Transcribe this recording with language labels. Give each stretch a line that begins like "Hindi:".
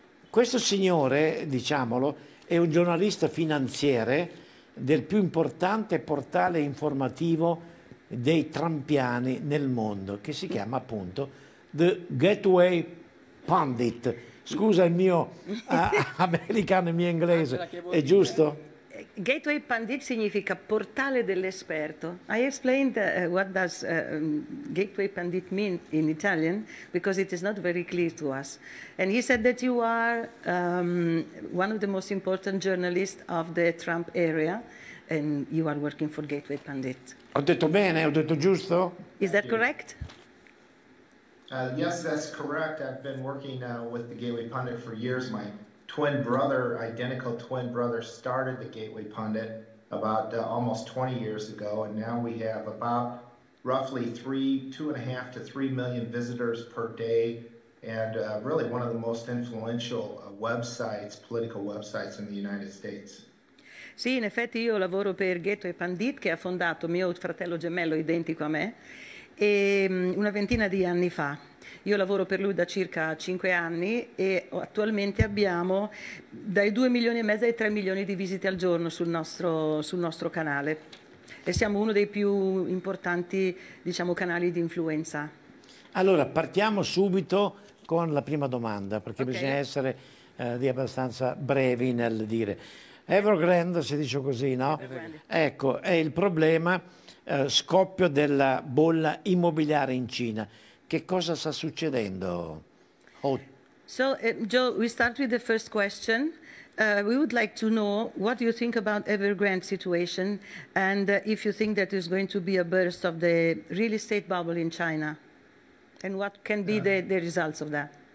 Italian: questo signore, diciamolo, è un giornalista finanziere del più importante portale informativo dei trampiani nel mondo, che si chiama appunto The Gateway Pundit. Scusa il mio americano e il mio inglese, Angela, che è vuol dire? giusto? Gateway Pandit significa portale dell'esperto.
English: I explained what does Gateway Pandit mean in Italian because it is not very clear to us. And he said that you are one of the most important journalists of the Trump era and you are working for Gateway Pandit.
Italian: Ho detto bene, ho detto giusto?
English: Is that correct? Yes, that's correct. I've been working with the Gateway Pundit for years. My twin brother, identical twin brother, started the Gateway Pundit about almost 20 years ago, and now we have about roughly 2.5 to 3 million visitors per day, and really one of the most influential websites, political websites in the United States.
Italian: Sì, in effetti io lavoro per Gateway Pandit, che ha fondato mio fratello gemello identico a me, e una ventina di anni fa. Io lavoro per lui da circa 5 anni e attualmente abbiamo dai 2,5 milioni ai 3 milioni di visite al giorno sul nostro canale. E siamo uno dei più importanti, diciamo, canali di influenza. Allora, partiamo subito con la prima domanda, perché bisogna Ok. essere di abbastanza brevi nel dire. Evergrande, si dice così, no? Evergrande. Ecco, è il problema, scoppio della bolla immobiliare in Cina. Che cosa sta succedendo?
English: So, Joe, we start with the first question. We would like to know what you think about Evergrande situation and if you think that is going to be a burst of the real estate bubble in China and what can be the results of that.